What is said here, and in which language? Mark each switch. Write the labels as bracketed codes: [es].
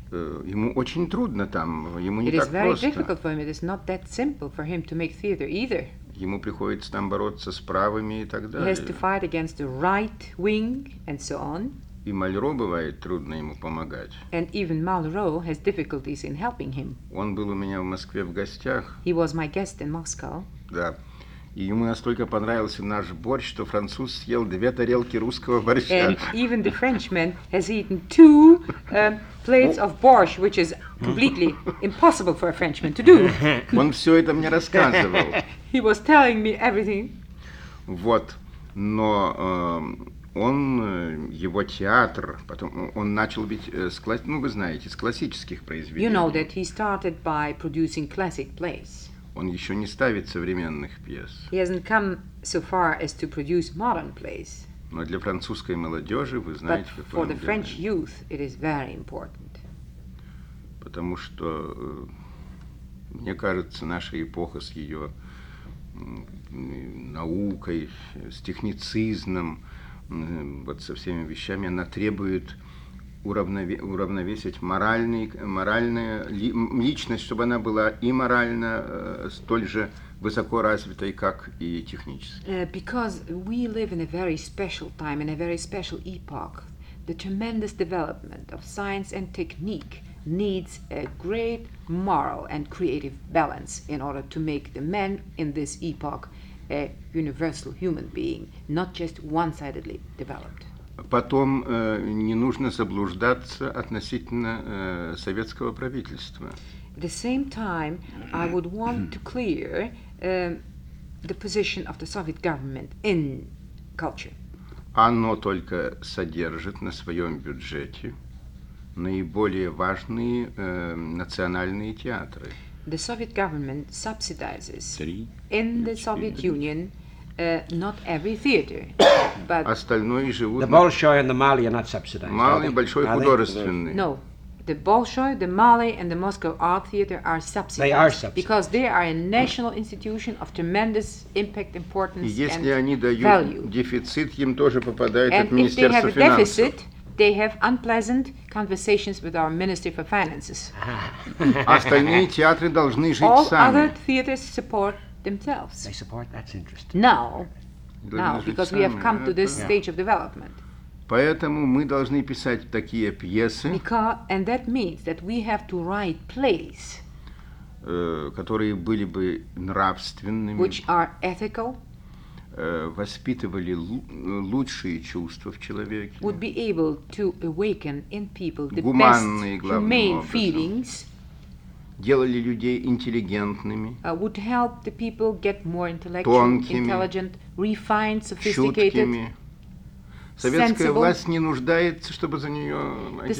[ru] Ему очень трудно там, ему не [en] It [ru] так [en] is very [ru] просто. [en] Difficult for him. It is not that simple for him to make theater either. [ru] Ему приходится там бороться с правыми и так далее. [en] He has to fight against the right wing and so on. [ru] И Мальро бывает трудно ему помогать. [en] And even Malro has difficulties in helping him. [ru] Он был у меня в Москве в гостях. [en] He was my guest in Moscow. [ru] Да. И ему настолько понравился наш борщ, что француз съел две тарелки русского борща. [en] And even the Frenchman has eaten two plates of borscht, which is completely impossible for a Frenchman to do. [ru] Он все это мне рассказывал. [en] He was telling me everything. [ru] Вот, но он, его театр, потом он начал быть, ну вы знаете, с классических произведений. [en] You know that he started by producing classic plays. [ru] Он еще не ставит современных пьес. [en] He hasn't come so far as to produce modern plays. [ru] Но для французской молодежи, вы знаете, [en] But for the French youth, it is very important. [ru] Потому что, мне кажется, наша эпоха с ее наукой, с техницизмом, вот со всеми вещами, она требует уравновесить моральную личность, чтобы она была и морально столь же высоко развитой, как и технически. [en] Because we live in a very special time, in a very special epoch. The tremendous development of science and technique needs a great moral and creative balance in order to make the man in this epoch a universal human being, not just one-sidedly developed. [ru] Потом не нужно заблуждаться относительно советского правительства. [en] At the same time, I would want to clear the position of the Soviet government in culture. [ru] Оно только содержит на своем бюджете наиболее важные национальные театры. [en] The Soviet government subsidizes in the Soviet Union not every theater, but [ru] остальные живут. [en] The Bolshoi and the Mali are not subsidized. [ru] Мали большой художественный. [en] No, the Bolshoi, the Mali, and the Moscow Art Theater are subsidized. They are subsidized because they are a national institution of tremendous impact, importance, and value. [ru] Если они дают дефицит, им тоже попадает от Министерства финансов. [en] And if they have a deficit, they have unpleasant conversations with our Minister for Finances. [ru] Остальные театры должны жить [en] All [ru] сами. [en] All other theaters support themselves. They support, that's interesting. Now, because we have come to this stage of development. [ru] Поэтому мы должны писать такие пьесы, [en] and that means that we have to write plays, [ru] которые были бы нравственными, [en] which are ethical, [ru] воспитывали лучшие чувства в человеке, [en] would be able to awaken in people the [ru] гуманные, [en] best humane feelings, [ru] делали людей интеллигентными, [en] would help the people get more intellectual, [ru] тонкими, [en] intelligent, refined, sophisticated, [ru] чуткими. Советская [en] sensible. [ru] Власть не нуждается, чтобы за нее агитировать.